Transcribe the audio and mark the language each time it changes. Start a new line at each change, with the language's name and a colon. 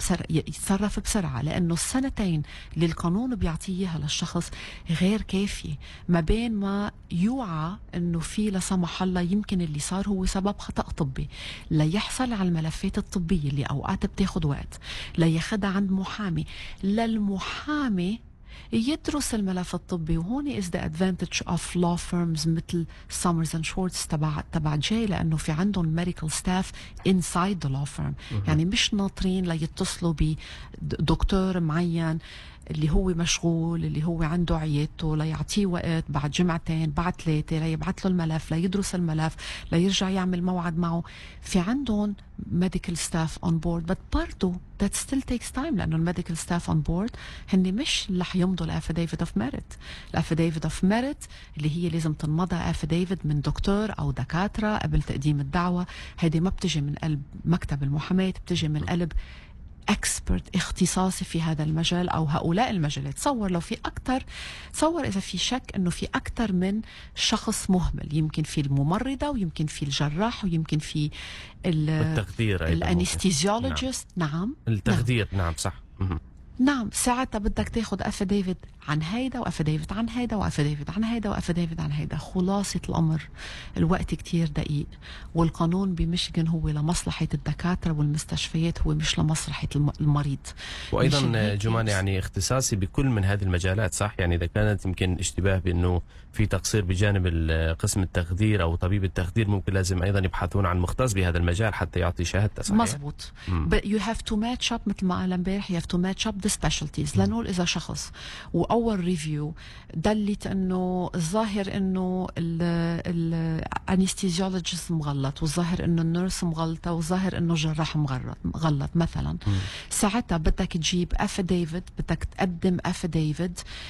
Arabic: يتصرف بسرعه, لانه السنتين اللي القانون بيعطيها للشخص غير كافيه ما بين ما يوعى انه في لا سمح الله يمكن اللي صار هو سبب خطا طبي, ليحصل على الملفات الطبيه اللي اوقات بتاخذ وقت, لياخذها عند محامي, للمحامي يدرس الملف الطبي. وهون
English: is the advantage of law firms
Arabic: مثل
English: Summers and Shorts تبع جاي,
Arabic: لأنه في عندهم
English: medical staff inside the law firm.
Arabic: يعني مش ناطرين ليتصلوا بدكتور معين اللي هو مشغول, اللي هو عنده عيادته, ليعطيه وقت بعد جمعتين بعد ثلاثة ليبعث له الملف ليدرس الملف ليرجع يعمل موعد معه. في عندهم
English: medical staff on board but part of that still takes time,
Arabic: لأنه
English: medical staff on board
Arabic: هني مش اللي حيمضوا الأفيديفيت
English: of merit.
Arabic: الأفيديفيت of merit اللي هي لازم تنمضى أفيديفيت من دكتور أو دكاترة قبل تقديم الدعوة, هذه ما بتجي من قلب مكتب المحامي, بتجي من قلب اكسبرت اختصاصي في هذا المجال او هؤلاء المجالات. تصور لو في اكثر, تصور اذا في شك انه في اكثر من شخص مهمل, يمكن في الممرضه ويمكن في الجراح ويمكن في التخدير الانستيزيولوجيست. نعم التخدير, نعم صح. نعم ساعتها بدك تاخد أفيديفيت عن هيدا وأفيديفيت عن هيدا وأفيديفيت عن هيدا وأفيديفيت عن هيدا. خلاصة الأمر الوقت كتير دقيق، والقانون بميشيغان هو لمصلحة الدكاترة والمستشفيات، هو مش لمصلحة المريض. وأيضا جمان يعني اختصاصي بكل من هذه المجالات صح؟ يعني إذا كانت يمكن اشتباه بأنه في تقصير بجانب قسم التخدير أو طبيب التخدير، ممكن لازم أيضا يبحثون عن مختص بهذا المجال حتى يعطي شهادته صحيح؟ مظبوط.
English: But you have to match up
Arabic: مثل ما قال امبارح،
English: you have to match up the specialties.
Arabic: لنقول إذا شخص وأول ريفيو دلت أنه الظاهر أنه الأنستيزيولوجيست مغلط، والظاهر أنه النورس مغلطة، والظاهر أنه الجراح مغلط مثلا، ساعتها بدك تجيب أفيديفيت، بدك تقدم أفيديفيت